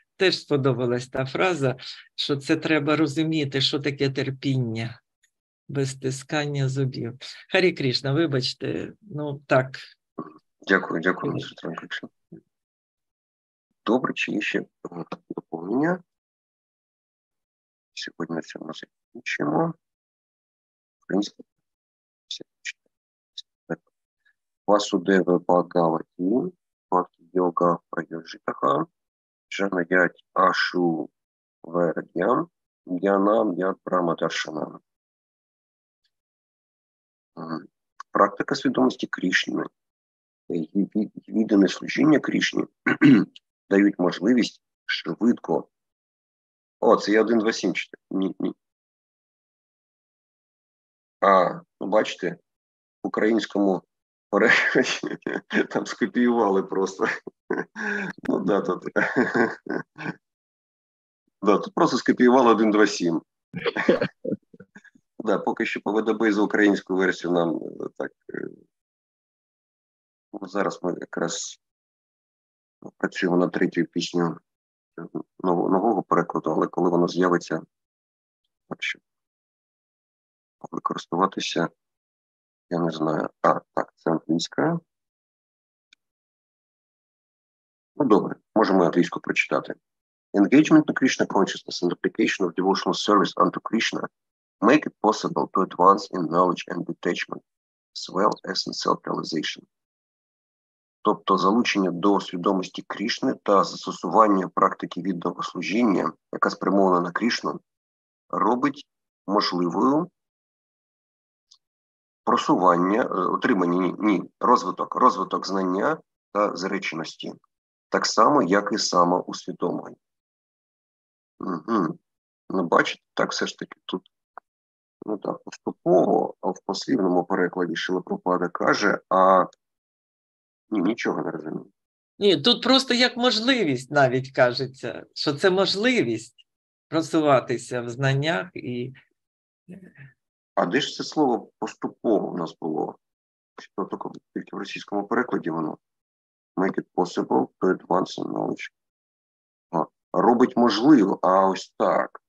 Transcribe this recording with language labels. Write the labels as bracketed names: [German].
[Ukrainian] Теж сподобалась та фраза, що це треба розуміти, що таке терпіння без стискання зубів. Харі Крішна, вибачте, ну так. Дякую, Светлана Крішна. Добре, чи є ще доповнення? Сьогодні на цьому закінчимо. [Russian] принципе, все читаете. [Sanskrit] Васудева Бхагавати, Бхакти-йога Прайоджитаха, Джанаять Ашу Вердьям, Дьянам Дьян Прамадаршанам. [Ukrainian] Практика свідомості Кришни, видане служіння Кришні дають можливість швидко. О, це я 1.2.7 читаю. Ні. А, ну бачите, в українському перекладі там скопіювали просто. Ну да, тут. Да, тут просто скопіювали 1.2.7. Да, поки що по ВДБ за українську версію нам так. Зараз ми якраз працюємо на третю пісню нового перекладу, але коли воно з'явиться, так що використовуватися, я не знаю. А, так, це англійська. Ну, добре, можемо англійську прочитати. [English] Engagement to Krishna consciousness and application of devotional service unto Krishna make it possible to advance in knowledge and detachment as well as in self-realization. [Ukrainian] Тобто залучення до свідомості Кришни та застосування практики відданого служіння, яка спрямована на Кришну, робить можливою просування, отримання, розвиток знання та зреченості, так само, як і самоусвідомлення. Угу. Ну, бачите, так все ж таки тут. Ну так, поступово, а в послівному перекладі Шрила Прабхупада каже, а ні, нічого не розумію. Ні, тут просто як можливість навіть кажеться, що це можливість просуватися в знаннях і. А де ж це слово поступово в нас було? Чи то тільки в російському перекладі воно? [English] Make it possible to advance in knowledge. [Ukrainian] Робить можливо, а ось так.